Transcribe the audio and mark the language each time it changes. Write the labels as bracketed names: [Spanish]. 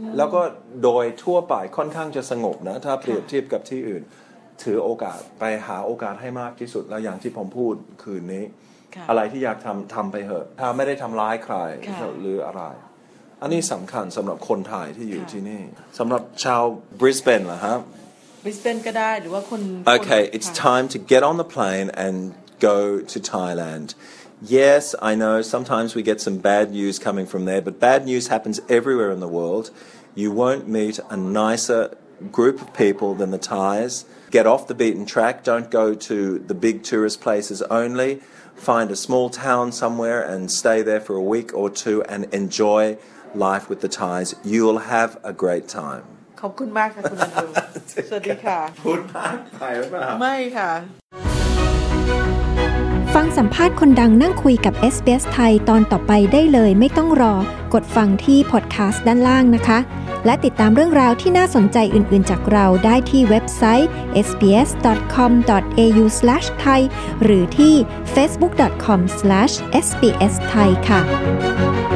[Thai] แล้วก็โดยทั่วไปค่อนข้างจะสงบนะถ้าเปรียบเทียบกับที่อื่นถือโอกาสไปหาโอกาสให้มากที่สุดแล้วอย่างที่ผมพูดคืนนี้ อะไรที่อยากทำไปเถอะถ้าไม่ได้ทำร้ายใครหรืออะไรอันนี้สำคัญสำหรับคนไทยที่อยู่ที่นี่สำหรับชาวบริสเบนเหรอฮะ บริสเบนก็ได้หรือว่าคน [English] โอเค it's time to get on the plane and go to ThailandYes, I know sometimes we get some bad news coming from there, but bad news happens everywhere in the world. You won't meet a nicer group of people than the Thais. Get off the beaten track. Don't go to the big tourist places only. Find a small town somewhere and stay there for a week or two and enjoy life with the Thais. You'll have a great time. [Thai] ขอบคุณมากค่ะคุณอนุสวัสดีค่ะ พูดมากไปหรือเปล่ า ไม่ค่ะ ฟังสัมภาษณ์คนดังนั่งคุยกับ SBS ไทยตอนต่อไปได้เลยไม่ต้องรอกดฟังที่พอดแคสต์ด้านล่างนะคะและติดตามเรื่องราวที่น่าสนใจอื่นๆจากเราได้ที่เว็บไซต์ sbs.com.au/thai หรือที่ facebook.com/sbsthai ค่ะ